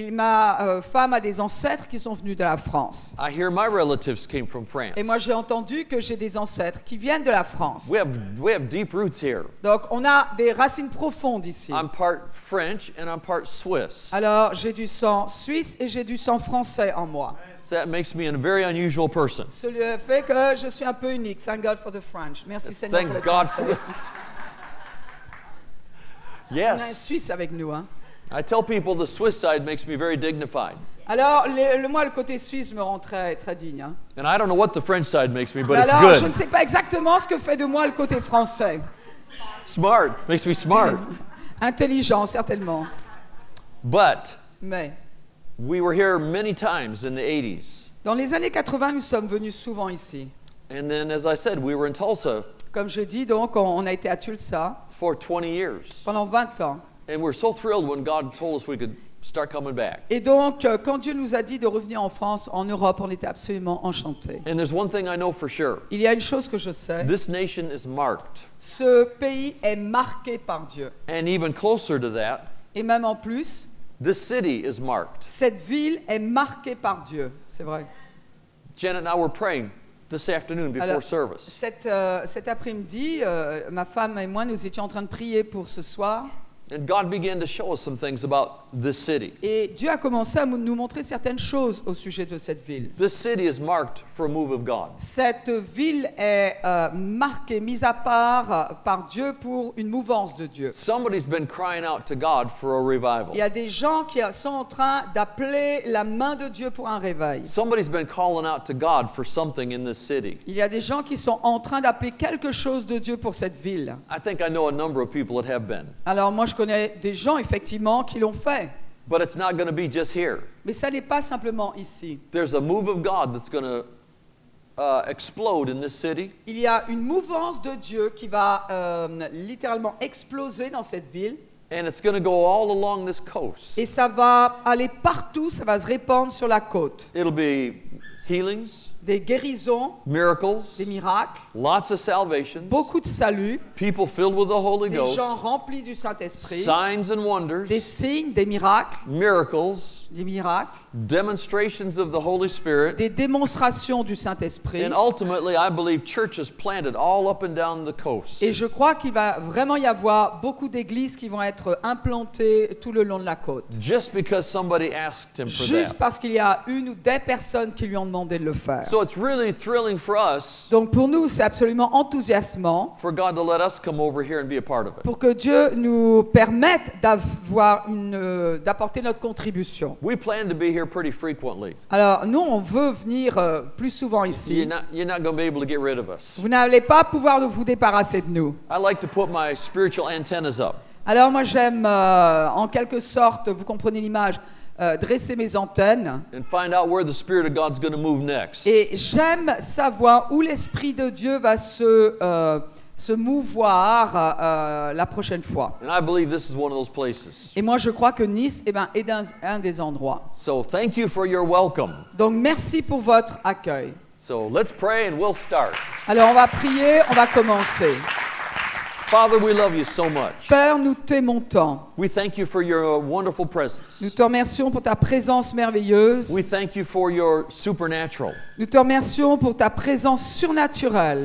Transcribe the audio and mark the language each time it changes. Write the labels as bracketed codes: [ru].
[fr] Ma femme a des ancêtres qui sont venus de la France. [en] I hear my relatives came from France. [fr] Et moi j'ai entendu que j'ai des ancêtres qui viennent de la France. [en] We have deep roots here. [fr] Donc on a des racines profondes ici. [en] I'm part French and I'm part Swiss. [fr] Alors j'ai du sang suisse et j'ai du sang français en moi. [en] So that makes me a very unusual person. [fr] Cela fait que je suis un peu unique. [en] Thank God for the French. [fr] Merci Seigneur. [en] Thank God for the yes. [fr] On a un Suisse avec nous, hein. [en] I tell people the Swiss side makes me very dignified. [fr] Alors, moi, le côté suisse me rend très, très digne, hein. [en] And I don't know what the French side makes me, but [fr] alors, [en] it's good. [fr] Alors, je ne sais pas exactement ce que fait de moi le côté français. [en] Smart. Makes me smart. [fr] Intelligent, certainement. [en] But. [fr] Mais. [en] We were here many times in the 80s. [fr] Dans les années 80, nous sommes venus souvent ici. [en] And then, as I said, we were in Tulsa. [fr] Comme je dis, donc, on a été à Tulsa. [en] For 20 years. [fr] Pendant 20 ans. [en] And we're so thrilled when God told us we could start coming back. [fr] Et donc, quand Dieu nous a dit de revenir en France, en Europe, on était absolument enchantés. [en] And there's one thing I know for sure. [fr] Il y a une chose que je sais. [en] This nation is marked. [fr] Ce pays est marqué par Dieu. [en] And even closer to that. [fr] Et même en plus. [en] This city is marked. [fr] Cette ville est marquée par Dieu. C'est vrai. [en] Janet and I were praying this afternoon before [fr] Alors, [en] service. [fr] Cet après-midi, ma femme et moi, nous étions en train de prier pour ce soir. [en] And God began to show us some things about this city. [fr] Et Dieu a commencé à nous montrer certaines choses au sujet de cette ville. [en] This city is marked for a move of God. [fr] Cette ville est marquée, mise à part par Dieu pour une mouvance de Dieu. [en] Somebody's been crying out to God for a revival. [fr] Il y a des gens qui sont en train d'appeler la main de Dieu pour un réveil. [en] Somebody's been calling out to God for something in this city. [fr] Il y a des gens qui sont en train d'appeler quelque chose de Dieu pour cette ville. [en] I think I know a number of people that have been. [fr] Alors moi, je connais des gens effectivement qui l'ont fait. [en] But it's not going to be just here. [fr] Mais ça n'est pas simplement ici. [en] There's a move of God that's going to explode in this city. [fr] Il y a une mouvance de Dieu qui va littéralement exploser dans cette ville. [en] And it's going to go all along this coast. [fr] Et ça va aller partout, ça va se répandre sur la côte. [en] It'll be healings. [fr] Des guérisons, [en] miracles, [fr] des miracles, [en] lots of salvations, [fr] beaucoup de saluts, [en] people filled with the Holy [fr] des [en] Ghost, [fr] des gens remplis du Saint-Esprit, [en] signs and wonders, [fr] des signes, des miracles, [en] miracles, [fr] des miracles, [en] demonstrations of the Holy Spirit, [fr] des démonstrations du Saint-Esprit, [en] and ultimately I believe churches planted all up and down the coast. [fr] Et je crois qu'il va vraiment y avoir beaucoup d'églises qui vont être implantées tout le long de la côte. [en] Just because somebody asked him for that. [fr] Juste parce qu'il y a une ou des personnes qui lui ont demandé de le faire. [en] So it's really thrilling for us. [fr] Donc pour nous, c'est absolument enthousiasmant. [en] For God to let us come over here and be a part of it. [fr] Pour que Dieu nous permette d'avoir d'apporter notre contribution. [en] We plan to be here pretty frequently. [fr] Alors nous, on veut venir plus souvent ici. [en] You're not going to be able to get rid of us. [fr] Vous n'allez pas pouvoir vous débarrasser de nous. [en] I like to put my spiritual antennas up. [fr] Alors moi, j'aime en quelque sorte, vous comprenez l'image. Dresser mes antennes. [en] And find out where the Spirit of God's going to move next. [fr] Et j'aime savoir où l'Esprit de Dieu va se mouvoir la prochaine fois. [en] And I believe this is one of those places. [fr] Et moi, je crois que Nice, eh ben, est un des endroits. [en] So thank you for your welcome. [fr] Donc merci pour votre accueil. [en] So let's pray and we'll start. [fr] Alors on va prier, on va commencer. [en] Father, we love you so much. [fr] Père, nous t'aimons tant. [en] We thank you for your wonderful presence. [fr] Nous te remercions pour ta présence merveilleuse. [en] We thank you for your supernatural. [fr] Nous te remercions pour ta présence surnaturelle.